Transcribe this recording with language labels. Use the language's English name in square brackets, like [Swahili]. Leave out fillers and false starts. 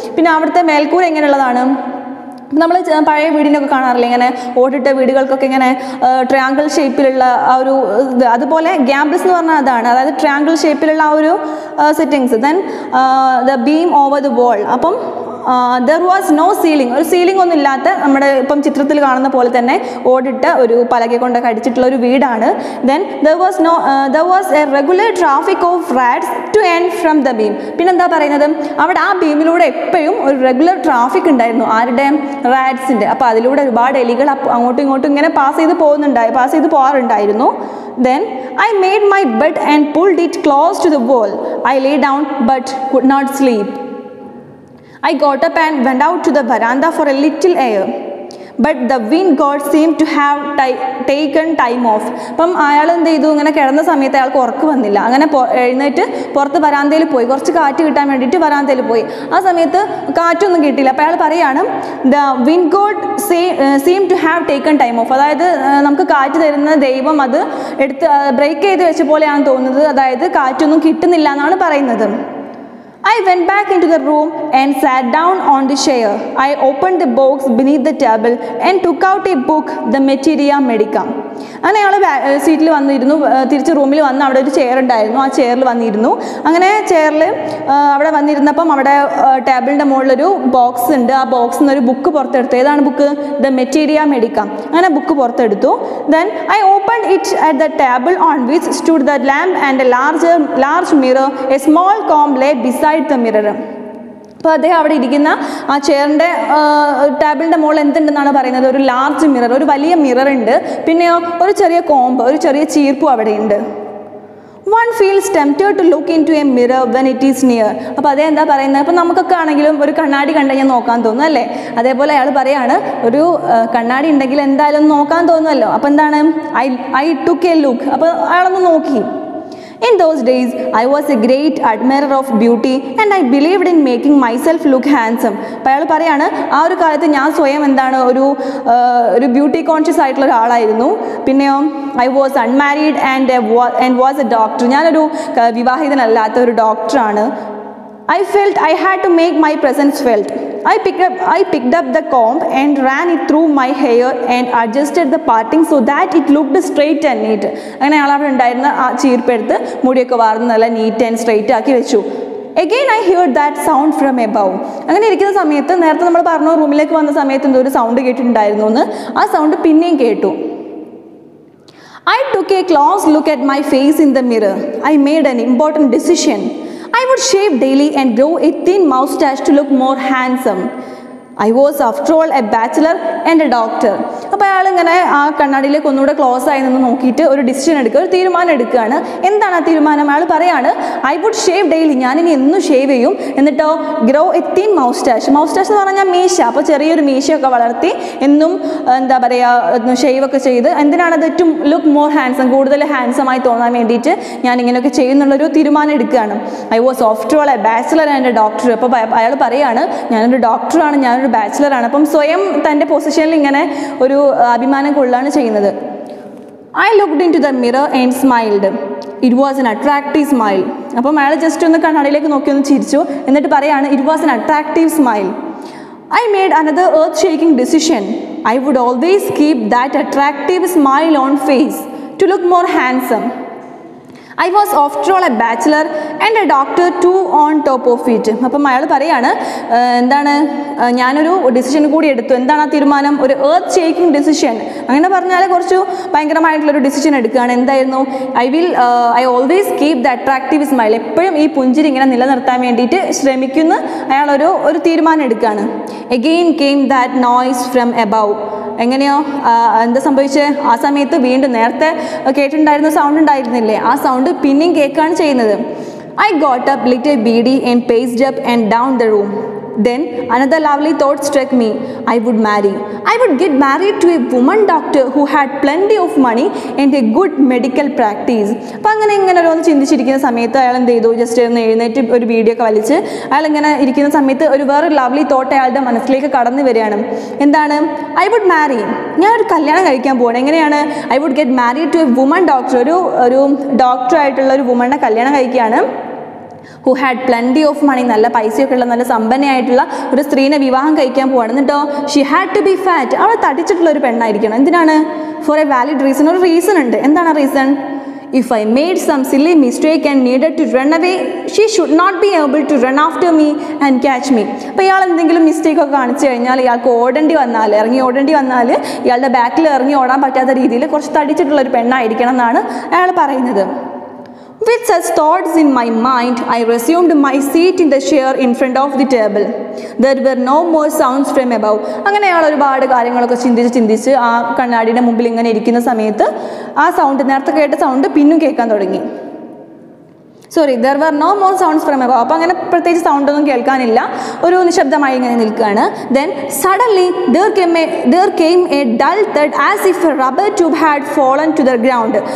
[Malayalam] പിന്നെ അവിടുത്തെ മേൽക്കൂര എങ്ങനെയുള്ളതാണ്, നമ്മൾ പഴയ വീടിനൊക്കെ കാണാറില്ലേ ഇങ്ങനെ ഓടിട്ട വീടുകൾക്കൊക്കെ ഇങ്ങനെ ട്രയാങ്കിൾ ഷേപ്പിലുള്ള ആ ഒരു, അതുപോലെ ഗാംബിൾസ് എന്ന് പറഞ്ഞാൽ അതാണ്, അതായത് ട്രയാങ്കിൾ ഷേപ്പിലുള്ള ആ ഒരു settings. [English] then the beam over the wall, [Malayalam] അപ്പം [English] there was no ceiling, [Malayalam] ഒരു സീലിംഗ് ഒന്നും ഇല്ലാത്ത, നമ്മുടെ ഇപ്പം ചിത്രത്തിൽ കാണുന്ന പോലെ തന്നെ ഓടിട്ട ഒരു പലക കൊണ്ടൊക്കെ അടിച്ചിട്ടുള്ള ഒരു വീടാണ്. [English] Then there was a regular traffic of rats to and from the beam. [Malayalam] പിന്നെന്താ പറയുന്നത്, അവിടെ ആ ബീമിലൂടെ എപ്പോഴും ഒരു റെഗുലർ ട്രാഫിക് ഉണ്ടായിരുന്നു, ആരുടെ, റാറ്റ്സിൻ്റെ. അപ്പോൾ അതിലൂടെ ഒരുപാട് എലികൾ അങ്ങോട്ടും ഇങ്ങോട്ടും ഇങ്ങനെ പാസ് ചെയ്ത് പോകാറുണ്ടായിരുന്നു. [English] Then I made my bed and pulled it close to the wall. I lay down but could not sleep. I got up and went out to the veranda for a little air. But the wind god seemed to have taken time off. [Malayalam] അപ്പം അയാൾ എന്ത് ചെയ്തു, ഇങ്ങനെ കിടന്ന സമയത്ത് അയാൾക്ക് ഉറക്ക് വന്നില്ല. അങ്ങനെ എഴുന്നേറ്റ് പുറത്ത് വരാന്തയിൽ പോയി, കുറച്ച് കാറ്റ് കിട്ടാൻ വേണ്ടിയിട്ട് വരാന്തയിൽ പോയി. ആ സമയത്ത് കാറ്റൊന്നും കിട്ടിയില്ല. അപ്പോൾ അയാൾ പറയുകയാണ്, [English] the wind god seem to have taken time off, [Malayalam] അതായത് നമുക്ക് കാറ്റ് തരുന്ന ദൈവം അത് എടുത്ത് ബ്രേക്ക് ചെയ്ത് വെച്ച പോലെയാണ് തോന്നുന്നത്, അതായത് കാറ്റൊന്നും കിട്ടുന്നില്ല എന്നാണ് പറയുന്നത്. [English] I went back into the room and sat down on the chair. I opened the box beneath the table and took out a book, the materia medica. [Malayalam] അങ്ങനെ അയാൾ സീറ്റിൽ വന്നിരുന്നു, തിരിച്ച് റൂമിൽ വന്ന് അവിടെ ഒരു ചെയർ ഉണ്ടായിരുന്നു, ആ ചെയറിൽ വന്നിരുന്നു. അങ്ങനെ ചെയറിൽ അവിടെ വന്നിരുന്നപ്പം അവിടെ ടേബിളിൻ്റെ മുകളിലൊരു ബോക്സ് ഉണ്ട്. ആ ബോക്സിൽ നിന്ന് ഒരു ബുക്ക് പുറത്തെടുത്തു. ഏതാണ് ബുക്ക്? ദ മെറ്റീരിയ മെഡിക്ക. അങ്ങനെ ബുക്ക് പുറത്തെടുത്തു. [English] Then I open it at the table on which stood the lamp and a large mirror, a small comb lay beside the mirror. [Malayalam] അപ്പോൾ അദ്ദേഹം അവിടെ ഇരിക്കുന്ന ആ ചെയറിൻ്റെ ടേബിളിൻ്റെ മുകളിൽ എന്തുണ്ടെന്നാണ് പറയുന്നത്, ഒരു ലാർജ് മിറർ, ഒരു വലിയ മിറർ ഉണ്ട്. പിന്നെയോ ഒരു ചെറിയ കോമ്പ്, ഒരു ചെറിയ ചീർപ്പും അവിടെയുണ്ട്. [English] One feels tempted to look in to a mirror when it is near. [Malayalam] അപ്പോൾ അതേ എന്താ പറയുന്നത്, ഇപ്പം നമുക്കൊക്കെ ആണെങ്കിലും ഒരു കണ്ണാടി കണ്ടു കഴിഞ്ഞാൽ നോക്കാൻ തോന്നും അല്ലേ? അതേപോലെ അയാൾ പറയുകയാണ്, ഒരു കണ്ണാടി ഉണ്ടെങ്കിൽ എന്തായാലും ഒന്ന് നോക്കാൻ തോന്നുമല്ലോ. അപ്പോൾ എന്താണ്, [English] I took a look. [Malayalam] അപ്പോൾ അയാളൊന്ന് നോക്കി. [English] In those days, I was a great admirer of beauty and I believed in making myself look handsome. [Malayalam] പയാൾ പറയാണ്, ആ ഒരു കാലത്ത് ഞാൻ സ്വയം എന്താണ് ഒരു ഒരു ബ്യൂട്ടി കോൺഷ്യസ് ആയിട്ടുള്ള ഒരാളായിരുന്നു. [English] പിന്നെയോ, I was unmarried and was a doctor. [Malayalam] ഞാനൊരു വിവാഹിതനല്ലാത്ത ഒരു ഡോക്ടറാണ്. [English] I felt I had to make my presence felt. I picked up the comb and ran it through my hair and adjusted the parting so that it looked straight and neat. [Malayalam] അങ്ങനെ അയാൾ അവിടെ ഉണ്ടായിരുന്ന ആ ചീർപ്പെടുത്ത് മുടിയൊക്കെ വാർന്ന് നല്ല neat and straight ആക്കി വെച്ചു. [English] Again I heard that sound from above. [Malayalam] അങ്ങനെ ഇരിക്കുന്ന സമയത്ത്, നേരത്തെ നമ്മൾ പറഞ്ഞു റൂമിലേക്ക് വന്ന സമയത്ത് എന്തോ ഒരു സൗണ്ട് കേട്ടിട്ടുണ്ടായിരുന്നു എന്ന്, ആ സൗണ്ട് പിന്നെയും കേട്ടു. [English] I took a close look at my face in the mirror. I made an important decision. I would shave daily and grow a thin moustache to look more handsome. I was after all a bachelor and a doctor. [Malayalam] അപ്പോൾ അയാൾ ഇങ്ങനെ ആ കണ്ണാടിയിലേക്ക് ഒന്നുകൂടെ close ആയി നിന്ന് നോക്കിയിട്ട് ഒരു decision എടുക്കുക, ഒരു തീരുമാനം എടുക്കുകയാണ്. എന്താണ് ആ തീരുമാനം? അയാൾ പറയുകയാണ്, [English] I would shave daily, [Malayalam] ഞാനിനി എന്നും ഷേവ് ചെയ്യും. എന്നിട്ടോ [English] Grow a thin moustache. [Malayalam] മൗസ്റ്റാഷ് എന്ന് പറഞ്ഞാൽ മീശ. അപ്പോൾ ചെറിയൊരു മീശയൊക്കെ വളർത്തി എന്നും എന്താ പറയുക, ഷേവൊക്കെ ചെയ്ത്, എന്തിനാണ് അത്, [English] to look more handsome, [Malayalam] കൂടുതൽ ഹാൻസമായി തോന്നാൻ വേണ്ടിയിട്ട് ഞാൻ ഇങ്ങനെയൊക്കെ ചെയ്യുന്നുള്ളൊരു തീരുമാനം എടുക്കുകയാണ്. [English] I was after all a bachelor and a doctor. [Malayalam] അപ്പോൾ അയാൾ പറയുകയാണ്, ഞാനൊരു ഡോക്ടറാണ്, ഞാനൊരു ബാച്ചലറാണ്. അപ്പം സ്വയം തൻ്റെ പൊസിഷനിൽ ഇങ്ങനെ ഒരു അഭിമാനം കൊള്ളാണ് ചെയ്യുന്നത്. [English] I looked in to the mirror and smiled. It was an attractive smile. [Malayalam] അപ്പം അയാൾ ജസ്റ്റ് ഒന്ന് കണ്ണാടിയിലേക്ക് നോക്കി ഒന്ന് ചിരിച്ചു. എന്നിട്ട് പറയാണ്, [English] It was an attractive smile. I made another earth shaking decision. I would always keep that attractive smile on face to look more handsome. I was after all a bachelor and a doctor too on top of it. [Malayalam] അപ്പം അയാൾ പറയുകയാണ്, എന്താണ്, ഞാനൊരു decision കൂടി എടുത്തു. എന്താണ് ആ തീരുമാനം? ഒരു [English] Earth shaking decision. [Malayalam] അങ്ങനെ പറഞ്ഞാൽ കുറച്ച് ഭയങ്കരമായിട്ടുള്ളൊരു ഡിസിഷൻ എടുക്കുകയാണ്. എന്തായിരുന്നു? [English] I always keep the attractive smile. [Malayalam] എപ്പോഴും ഈ പുഞ്ചിരി ഇങ്ങനെ നിലനിർത്താൻ വേണ്ടിയിട്ട് ശ്രമിക്കുന്ന അയാളൊരു ഒരു തീരുമാനം എടുക്കുകയാണ്. [English] Again came that noise from above. [Malayalam] എങ്ങനെയോ എന്താ സംഭവിച്ച് ആ സമയത്ത് വീണ്ടും നേരത്തെ കേട്ടിട്ടുണ്ടായിരുന്ന സൗണ്ട് ഉണ്ടായിരുന്നില്ലേ, ആ സൗണ്ട് പിന്നെയും കേൾക്കുകയാണ് ചെയ്യുന്നത്. [English] I got up lit a beedi and paced up and down the room. Then another lovely thought struck me. I would marry. I would get married to a woman doctor who had plenty of money and a good medical practice. [Malayalam] അപ്പം അങ്ങനെ ഇങ്ങനെ ഒരു ചിന്തിച്ചിരിക്കുന്ന സമയത്ത് അയാൾ എന്ത് ചെയ്തു, just ഒന്ന് എഴുന്നേറ്റ് ഒരു വീഡിയോ ഒക്കെ വലിച്ച് അയാൾ ഇങ്ങനെ ഇരിക്കുന്ന സമയത്ത് ഒരു വേറെ ലവ്ലി തോട്ട് അയാളുടെ മനസ്സിലേക്ക് കടന്നു വരികയാണ്. എന്താണ്? [English] I would marry, [Malayalam] ഞാനൊരു കല്യാണം കഴിക്കാൻ പോവാണ്. എങ്ങനെയാണ്? [English] I would get married to a woman doctor, [Malayalam] ഒരു ഡോക്ടറായിട്ടുള്ള ഒരു വുമണിനെ കല്യാണം കഴിക്കുകയാണ്. [English] who had plenty of money, [Malayalam] നല്ല പൈസയൊക്കെ ഉള്ള നല്ല സമ്പന്നയായിട്ടുള്ള ഒരു സ്ത്രീനെ വിവാഹം കഴിക്കാൻ പോവാണ്. എന്നിട്ടോ [English] she had to be fat, [Malayalam] അവളെ തടിച്ചിട്ടുള്ള ഒരു പെണ്ണായിരിക്കണം. എന്തിനാണ്? [English] for a valid reason, [Malayalam] ഒരു റീസൺ ഉണ്ട്. എന്താണ് ആ reason? [English] If I made some silly mistake and needed to run away, she should not be able to run after me and catch me. [Malayalam] അപ്പോൾ ഇയാൾ എന്തെങ്കിലും മിസ്റ്റേക്കൊക്കെ കാണിച്ചു കഴിഞ്ഞാൽ ഇയാൾക്ക് ഓടേണ്ടി വന്നാൽ, ഇറങ്ങി ഓടേണ്ടി വന്നാൽ ഇയാളുടെ ബാക്കിൽ ഇറങ്ങി ഓടാൻ പറ്റാത്ത രീതിയിൽ കുറച്ച് തടിച്ചിട്ടുള്ള ഒരു പെണ്ണായിരിക്കണം എന്നാണ് അയാൾ പറയുന്നത്. [English] With such thoughts in my mind, I resumed my seat in the chair in front of the table. There were no more sounds from above. [Malayalam] അങ്ങനെ അയാൾ ഒരുപാട് കാര്യങ്ങളൊക്കെ ചിന്തിച്ച് ചിന്തിച്ച് ആ കണ്ണാടിയുടെ മുമ്പിൽ ഇങ്ങനെ ഇരിക്കുന്ന സമയത്ത് ആ സൗണ്ട്, നേരത്തെ കേട്ട സൗണ്ട് പിന്നും കേൾക്കാൻ തുടങ്ങി. Sorry, [English] There were no more sounds from above. [Malayalam] അപ്പോൾ അങ്ങനെ പ്രത്യേകിച്ച് സൗണ്ടൊന്നും കേൾക്കാനില്ല, ഒരു നിശബ്ദമായി ഇങ്ങനെ നിൽക്കുകയാണ്. [English] Then suddenly there came a dull thud as if a rubber tube had fallen to the ground.